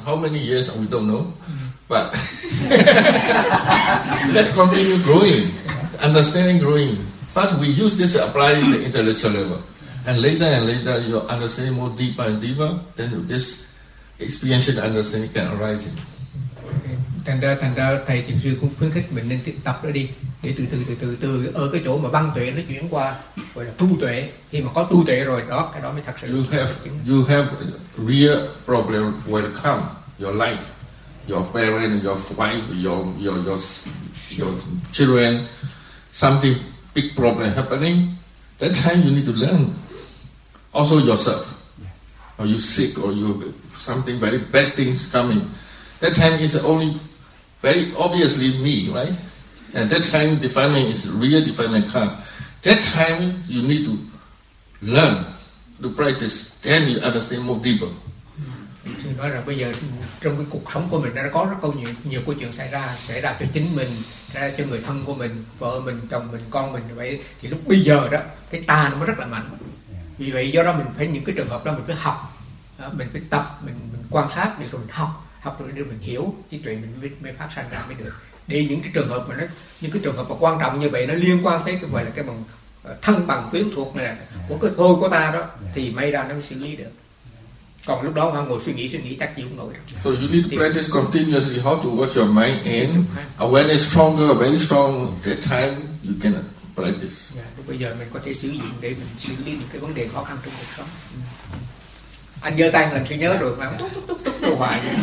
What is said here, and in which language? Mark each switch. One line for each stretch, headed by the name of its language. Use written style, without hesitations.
English: How many years we don't know, but let continue growing. Understanding growing. First, we use this apply the intellectual level, and later, your understanding more deeper and deeper. Then this experiential understanding can arise.
Vietnamese: Thành ra thầy thiền sư cũng khuyến khích mình nên tiếp tập đó đi, để từ ở cái chỗ mà băng tuệ nó chuyển qua gọi là tu tuệ. Khi mà có tu tuệ rồi đó, cái đó mới thật sự.
English: You have real problem will come your life, your parent, your wife, your children. Something big problem happening, that time you need to learn. Also yourself. Yes. Or you sick or you something very bad things coming. That time is only very obviously me, right? And that time defilement is real defilement come. That time you need to learn, to practice, then you understand more deeper.
Vietnamese: Thì nói rằng bây giờ trong cái cuộc sống của mình đã có rất nhiều câu chuyện xảy ra cho chính mình, xảy ra cho người thân của mình, vợ mình, chồng mình, con mình, vậy thì lúc bây giờ đó cái ta nó mới rất là mạnh. Vì vậy do đó mình phải những cái trường hợp đó mình phải học đó, mình phải tập, mình quan sát để rồi mình học rồi để mình hiểu trí tuệ mình mới phát sanh ra mới được. Để những cái trường hợp mà nó những cái trường hợp mà quan trọng như vậy nó liên quan tới cái gọi là cái bằng thân bằng tuyến thuộc này của cái tôi của ta đó thì may ra nó mới xử lý được. Còn lúc đó ngồi suy nghĩ chắc chịu không nổi.
English: So you need to practice continuously how to watch your mind and awareness stronger, very strong. That time you can practice.
Vietnamese: Yeah, bây giờ mình có thể sử dụng để mình xử lý những cái vấn đề khó khăn trong cuộc sống. Anh giơ tay lần thứ nhớ rồi mà tút hoài.